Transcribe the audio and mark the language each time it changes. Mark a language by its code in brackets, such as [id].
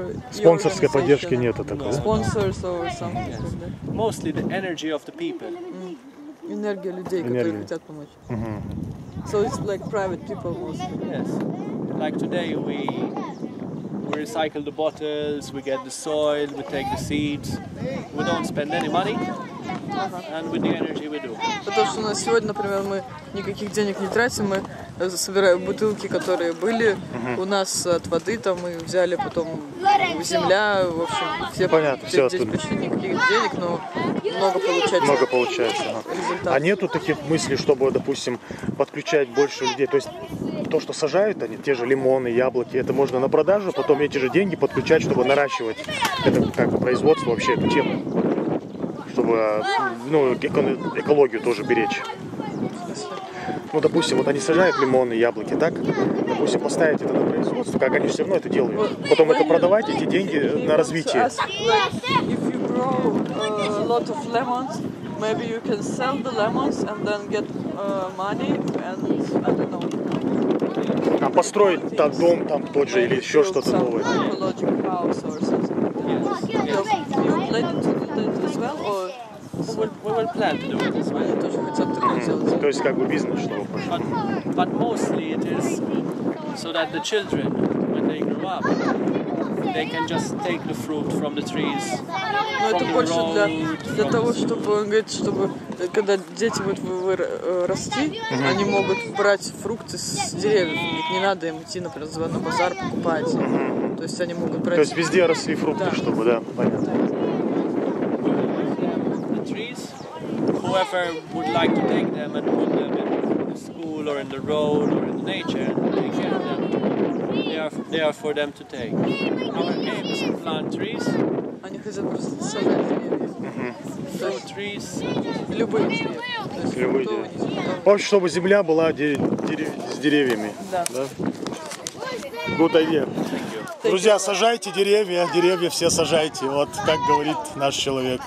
[ru] Спонсорской поддержки нету такого. [en] Sponsors or something. Yes. Mostly the energy of the people. [ru] Энергия людей, которые хотят помочь. [en] So it's like private people mostly. Yes. Like today we recycle the bottles, we get the soil, we take the seeds, we don't spend any money. And with the energy we do. [ru] Потому что у нас сегодня, например, мы никаких денег не тратим, мы собираем бутылки, которые были у нас от воды, там мы взяли потом земля, в общем, все. Понятно, все здесь почти никаких денег, но много получается. А нету таких мыслей, чтобы, допустим, подключать больше людей? То есть то, что сажают они, те же лимоны, яблоки, это можно на продажу, потом эти же деньги подключать, чтобы наращивать это как производство, вообще эту тему. Чтобы, ну, экологию тоже беречь. Ну, допустим, вот они сажают лимоны, яблоки, так? Допустим, поставить это на производство, как они все равно это делают. Потом это продавать, эти деньги на развитие. [en] If you grow a lot of lemons, Maybe you can sell the lemons and then get money and I don't know. [ru] А построить там дом там тот же или еще что-то новое? То есть как бы бизнес, что вы пошли? [en] But mostly it is so that the children, when they grow up, they can just take the fruit from the trees. [ru] Ну это больше для того, чтобы говорить, чтобы когда дети будут расти, они могут брать фрукты с деревьев. Ведь не надо им идти, например, на базар покупать. То есть они могут брать. То есть везде росли фрукты, чтобы, да, понятно. [en] Whoever would like to take them and put them in the school or in the road or in the nature, they get them. They are for them to take. Our aim is to plant trees. [ru] Они хотят просто собрать [en] деревья. Fruit trees. [ru] Любые деревья. Любые деревья. В общем, чтобы земля была с деревьями. Да. [en] Good idea. [ru] Друзья, сажайте деревья, деревья все сажайте, вот как говорит наш человек.